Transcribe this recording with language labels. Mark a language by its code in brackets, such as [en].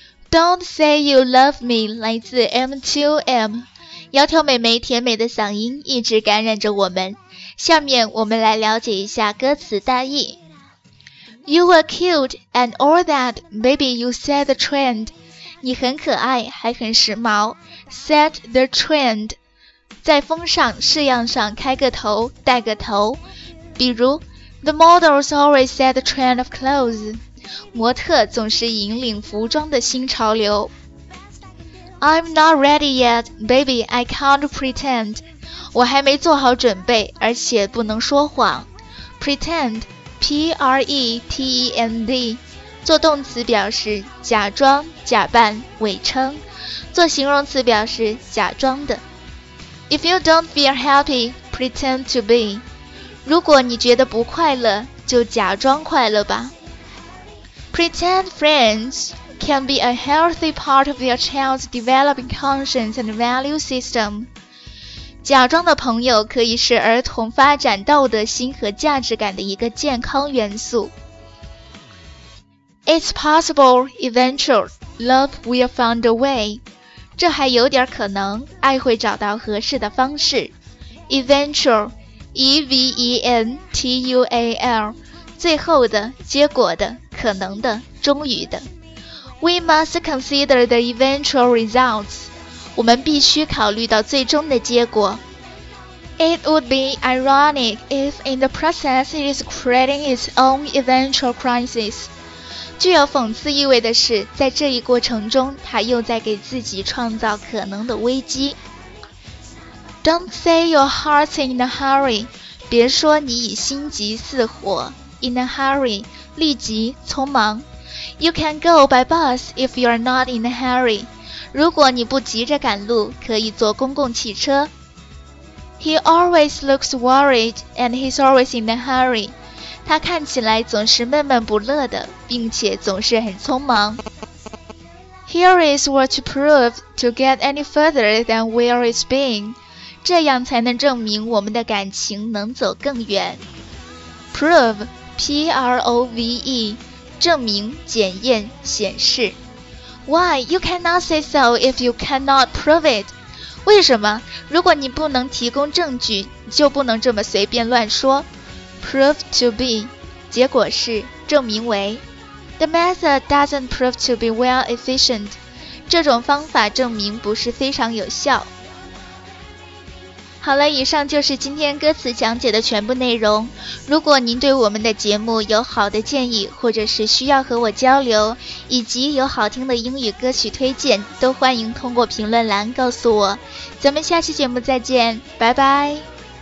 [zh] Don't Say You Love Me 来自 M2M， 窈窕美眉甜美的嗓音一直感染着我们。下面我们来了解一下歌词大意。 [en] You were cute and all that, baby you set the trend， [zh] 你很可爱还很时髦， [en] set the trend， [zh] 在风上式样上开个头带个头， [en] 比如 The models always set the trend of clothes， [zh] 模特总是引领服装的新潮流。 [en] I'm not ready yet, baby, I can't pretend， [zh] 我还没做好准备，而且不能说谎。 Pretend, P-R-E-T-E-N-D， 做动词表示假装、假扮、伪称，做形容词表示假装的。 [en] If you don't feel happy, pretend to be， [zh] 如果你觉得不快乐，就假装快乐吧。 [en] Pretend friends can be a healthy part of your child's developing conscience and value system. [zh] 假装的朋友可以是儿童发展道德心和价值感的一个健康元素。 [en] It's possible, eventually, love will find a way. [zh] 这还有点可能，爱会找到合适的方式。 Eventually, E-V-E-N-T-U-A-L, 最后的，结果的。可能的，终于的。 [en] We must consider the eventual results， [zh] 我们必须考虑到最终的结果。 [en] It would be ironic if in the process it is creating its own eventual crisis， [zh] 具有讽刺意味的是，在这一过程中它又在给自己创造可能的危机。 [en] Don't say your heart's in a hurry， [zh] 别说你已心急似火。 [en] In a hurry， [zh] 立即、匆忙。 [en] You can go by bus if you are not in a hurry， [zh] 如果你不急着赶路，可以坐公共汽车。 [en] He always looks worried and he's always in a hurry， [zh] 他看起来总是闷闷不乐的，并且总是很匆忙。 [en] Here is what to prove to get any further than where it's been， [zh] 这样才能证明我们的感情能走更远。 Prove, P-R-O-V-E, 证明、检验、显示。 [en] Why, you cannot say so if you cannot prove it? [zh] 为什么？如果你不能提供证据，就不能这么随便乱说。 Prove to be, 结果是、证明为。 [en] The method doesn't prove to be well efficient， [zh] 这种方法证明不是非常有效。好了，以上就是今天歌词讲解的全部内容。如果您对我们的节目有好的建议，或者是需要和我交流，以及有好听的英语歌曲推荐，都欢迎通过评论栏告诉我。咱们下期节目再见，拜拜。